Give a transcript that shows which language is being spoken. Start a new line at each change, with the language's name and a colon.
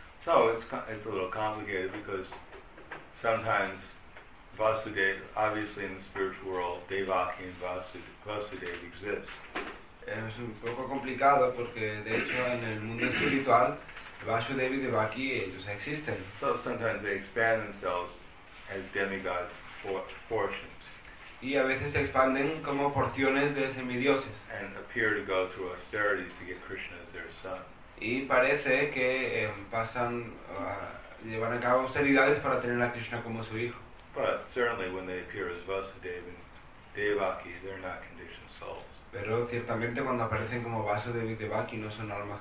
English: So it's a little complicated because sometimes Vasudev, obviously in the spiritual world, Devaki and Vasudev exist.
Spanish: Es un poco complicado porque de hecho en el mundo espiritual Vasudev y Devaki ellos existen.
English: So sometimes they expand themselves as demigod portions.
Spanish: Y a veces se expanden como porciones de semidioses.
English: And appear to go through austerities to get Krishna as their son.
Spanish: Y parece que pasan llevan a cabo austeridades para tener a Krishna como su hijo.
English: But certainly when they appear as Vasudev and Devaki, they're not conditioned souls.
Spanish: Pero ciertamente cuando aparecen como vaso de Vitevaki no son almas